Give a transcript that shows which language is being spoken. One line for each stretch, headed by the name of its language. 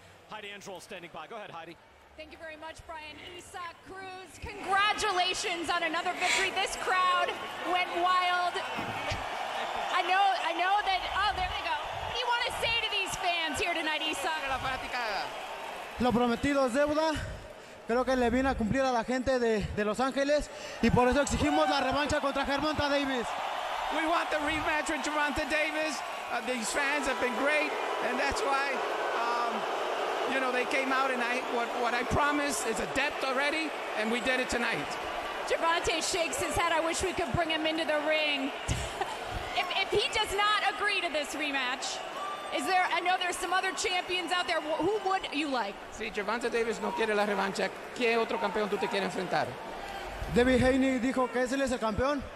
English: Heidi Andral standing by. Go ahead, Heidi. Thank you very much, Brian. Isak Cruz, congratulations on another victory. This crowd went wild. I know that. Oh, there they go. What do you want to say to these fans here tonight, Isak?
Spanish: Lo prometido es deuda. Creo que le vino a cumplir a la gente de Los Ángeles, y por eso exigimos la revancha contra Geronta Davis.
English: We want the rematch with Geronta Davis. These fans have been great, and that's why, you know, they came out, and what I promised is a depth already, and we did it tonight. Geronta shakes his head. I wish we could bring him into the ring. if he does not agree to this rematch, I know there's some other champions out there. Who would you like?
Spanish: Si Geronta Davis no quiere la revancha, ¿qué otro campeón tú te quieres enfrentar? Debbie Haney dijo que él es el campeón.